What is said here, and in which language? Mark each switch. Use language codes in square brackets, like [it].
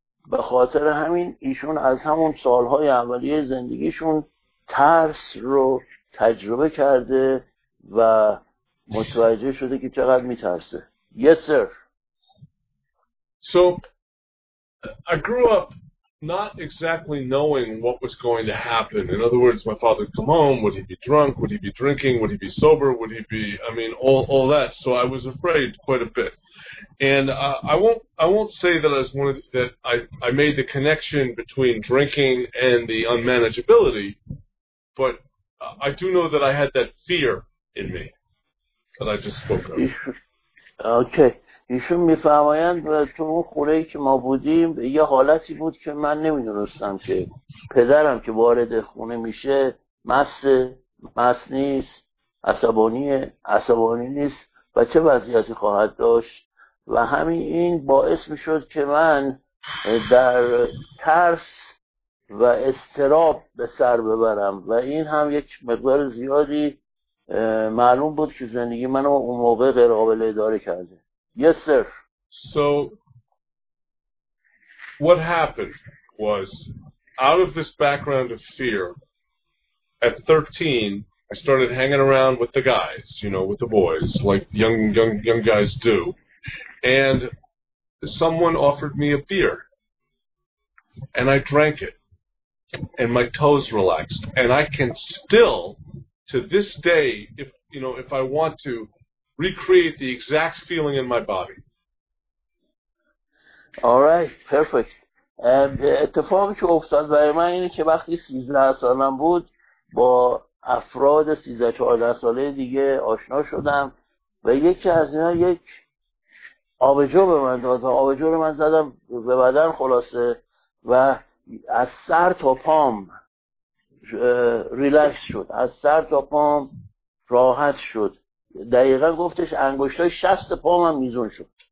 [fa] به خاطر همین ایشون از همون سالهای اولیه زندگیشون ترس رو تجربه کرده و متوجه شده که چقدر میترسه. [en] Yes sir. So I grew up not exactly knowing what was going to happen. In other words, my father would come home, would he be drunk, would he be drinking, would he be sober, would he be, I mean, all that. So I was afraid quite a bit. And I won't say that I made the connection between drinking and the unmanageability, but I do know that I had that fear in me that I just spoke of. Okay. [fa] ایشون میفرمایند و تو اون خونه‌ای که ما بودیم یه حالتی بود که من نمیدونستم که پدرم که وارد خونه میشه مست نیست، عصبانی نیست و چه وضعیتی خواهد داشت، و همین این باعث میشد که من در ترس و اضطراب به سر ببرم و این هم یک مقدار زیادی معلوم بود که زندگی منو اون موقع غیر قابل اداره کرده. [en] Yes, sir. So, what happened was, out of this background of fear, at 13, I started hanging around with the guys, you know, with the boys, like young guys do. And someone offered me a beer, and I drank it, and my toes relaxed. And I can still, to this day, if you know, if I want to, recreate the exact feeling in my body. All right, perfect. [fa] اتفاقی که افتاد برای من اینه که وقتی 13 سالم بود با افراد 13-14 ساله دیگه آشنا شدم و یکی از اینا یک آبجو به من داد و آبجو رو من زدم به بدن خلاصه و از سر تا پام ریلکس شد، از سر تا پام راحت شد، دقیقا گفتش انگشتای شست پام هم میزون شد.